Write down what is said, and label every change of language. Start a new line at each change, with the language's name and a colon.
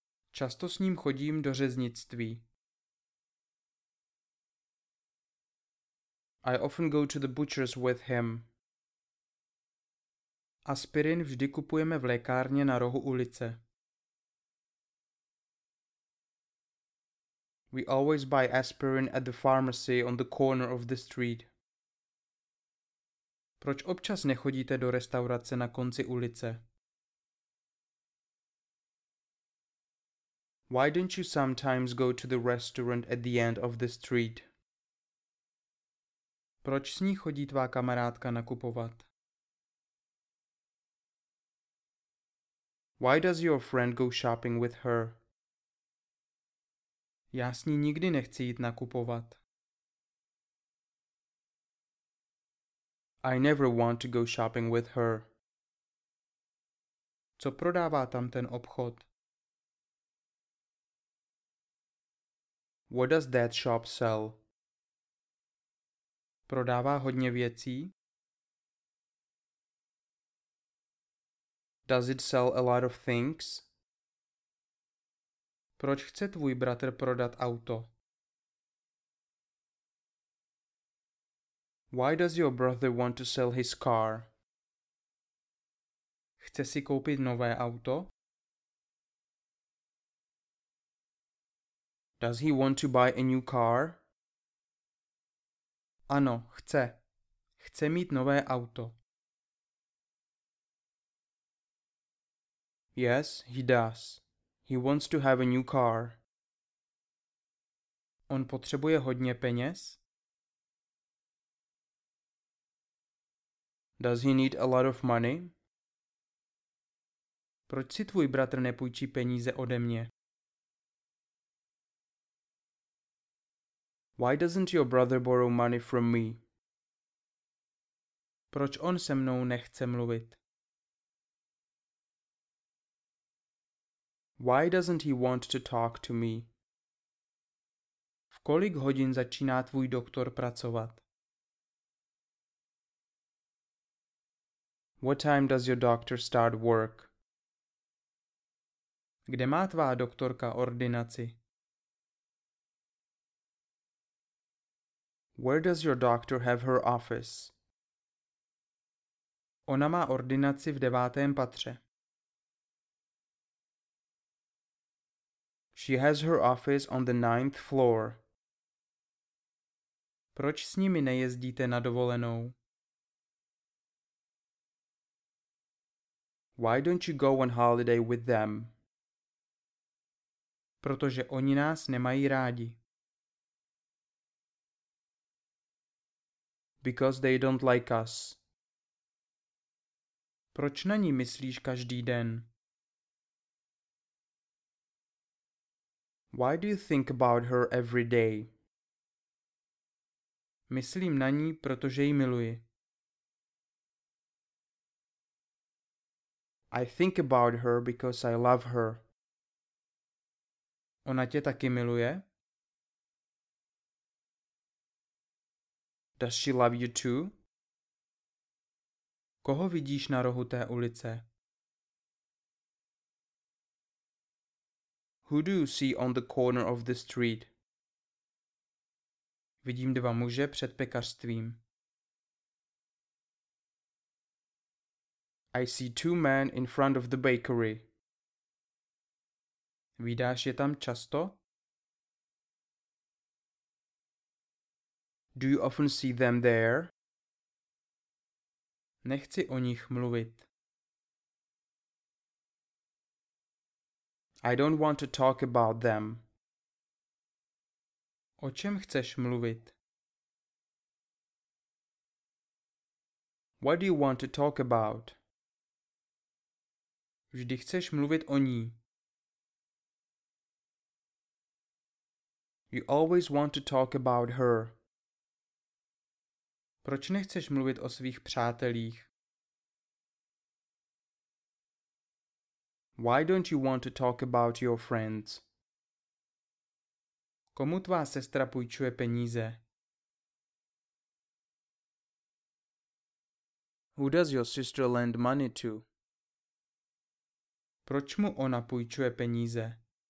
Czech: Často s ním chodím do řeznictví.
English: I often go to the butcher's with him.
Czech: Aspirin vždy kupujeme v lékárně na rohu ulice.
English: We always buy aspirin at the pharmacy on the corner of the street.
Czech: Proč občas nechodíte do restaurace na konci ulice?
English: Why don't you sometimes go to the restaurant at the end of the street?
Czech: Proč s ní chodí tvá kamarádka nakupovat?
English: Why does your friend go shopping with her?
Czech: Já s ní nikdy nechci jít nakupovat.
English: I never want to go shopping with her.
Czech: Co prodává tam ten obchod?
English: What does that shop sell?
Czech: Prodává hodně věcí?
English: Does it sell a lot of things?
Czech: Proč chce tvůj bratr prodat auto?
English: Why does your brother want to sell his car?
Czech: Chce si koupit nové auto?
English: Does he want to buy a new car?
Czech: Ano, chce. Chce mít nové auto.
English: Yes, he does. He wants to have a new car.
Czech: On potřebuje hodně peněz?
English: Does he need a lot of money?
Czech: Proč si tvůj bratr nepůjčí peníze ode mě?
English: Why doesn't your brother borrow money from me?
Czech: Proč on se mnou nechce mluvit?
English: Why doesn't he want to talk to me?
Czech: V kolik hodin začíná tvůj doktor pracovat?
English: What time does your doctor start work?
Czech: Kde má tvá doktorka ordinaci?
English: Where does your doctor have her office?
Czech: Ona má ordinaci v 9. patře.
English: She has her office on the 9th floor.
Czech: Proč s nimi nejezdíte na dovolenou?
English: Why don't you go on holiday with them?
Czech: Protože oni nás nemají rádi.
English: Because they don't like us.
Czech: Proč na ní myslíš každý den?
English: Why do you think about her every day?
Czech: Myslím na ní, protože ji miluji.
English: I think about her because I love her.
Czech: Ona tě taky miluje?
English: Does she love you too?
Czech: Koho vidíš na rohu té ulice?
English: Who do you see on the corner of the street?
Czech: Vidím dva muže před pekařstvím.
English: I see two men in front of the bakery.
Czech: Vidíš je tam často?
English: Do you often see them there?
Czech: Nechci o nich mluvit.
English: I don't want to talk about them.
Czech: O čem chceš mluvit?
English: What do you want to talk about?
Czech: Vždy chceš mluvit o ní.
English: You always want to talk about her.
Czech: Proč nechceš mluvit o svých přátelích?
English: Why don't you want to talk about your friends?
Czech: Komu tvá sestra půjčuje peníze?
English: Who does your sister lend money to?
Czech: Proč mu ona půjčuje peníze?